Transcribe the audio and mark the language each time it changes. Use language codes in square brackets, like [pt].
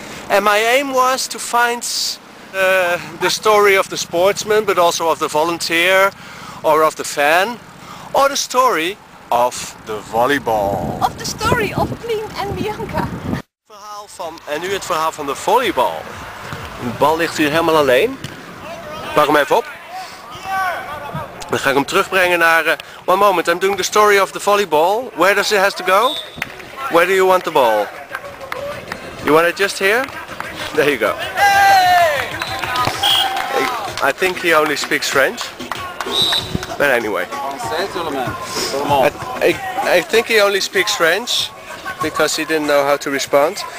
[en] And my aim was to find the story of the sportsman, but also of the volunteer or of the fan, or the story of the volleyball. Of the story of Pien and Bianca. [nl] Verhaal van, en nu het verhaal van de volleybal. De bal ligt hier helemaal alleen. Pak hem even op. Dan ga ik hem terugbrengen naar... [en] one moment, I'm doing the story of the volleyball. Where does it have to go? Where do you want the ball? You want it just here? There you go. I think he only speaks French. But anyway. I think he only speaks French because he didn't know how to respond.